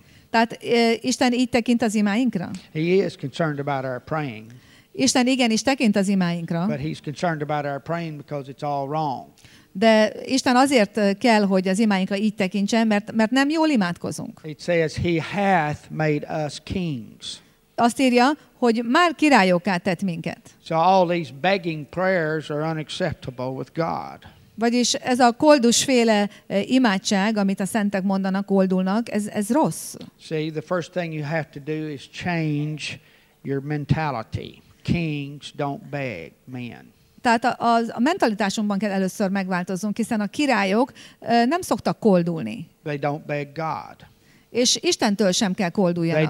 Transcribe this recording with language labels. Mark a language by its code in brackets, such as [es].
[hu] Tehát Isten így tekint az imáinkra? [en] He is concerned about our praying. [hu] Isten igenis tekint az imáinkra. [en] But he's concerned about our praying because it's all wrong. [hu] De Isten azért kell, hogy az imáinkra így tekintsen, mert nem jól imádkozunk. [en] It says he hath made us kings. [hu] Azt írja, hogy már királyokká tett minket. [en] So all these begging prayers are unacceptable with God. [hu] Vagyis ez a koldusféle imádság, amit a szentek mondanak, koldulnak, ez rossz. [en] See, the first thing you have to do is change your mentality. Kings don't beg men. [hu] Tehát a mentalitásunkban kell először megváltozunk, hiszen a királyok nem szoktak koldulni. [en] They don't beg God. [hu] És Istentől sem kell kolduljanak.